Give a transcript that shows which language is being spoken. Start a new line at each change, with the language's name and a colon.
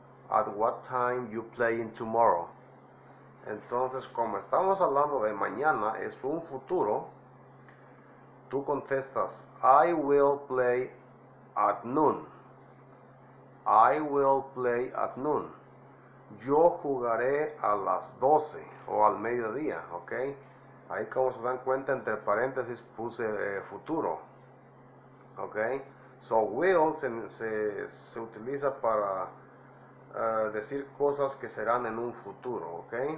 English: At what time you playing tomorrow?
Spanish: Entonces, como estamos hablando de mañana, es un futuro. Tú contestas,
English: I will play at noon. I will play at noon.
Spanish: Yo jugaré a las 12 o al mediodía, ¿ok? Ahí como se dan cuenta, entre paréntesis puse futuro. ¿Ok? So will se utiliza para decir cosas que serán en un futuro, ¿ok?